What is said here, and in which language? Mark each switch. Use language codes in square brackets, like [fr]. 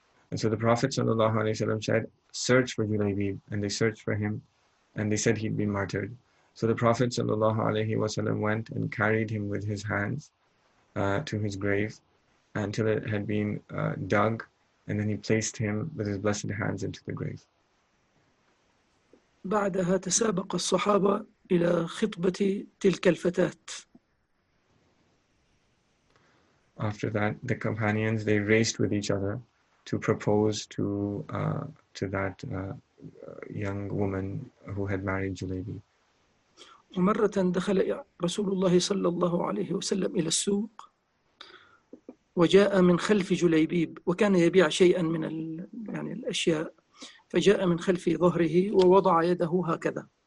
[en] And so the Prophet sallallahu alaihi wasallam said, search for Julaybib. And they searched for him and they said he'd been martyred. So the Prophet sallallahu alaihi wasallam went and carried him with his hands to his grave until it had been dug, and then he placed him with his blessed hands into the grave. [ar] بعدها تسابق الصحابة إلى خطبة تلك الفتاة. [en] After that, the companions they raced with each other to propose to that young woman who had married Julaybib. [ar] ومرة دخل رسول الله صلى الله عليه وسلم إلى السوق وجاء من خلف جليبيب، وكان يبيع شيئا من يعني الأشياء، فجاء من خلف ظهره ووضع يده هكذا.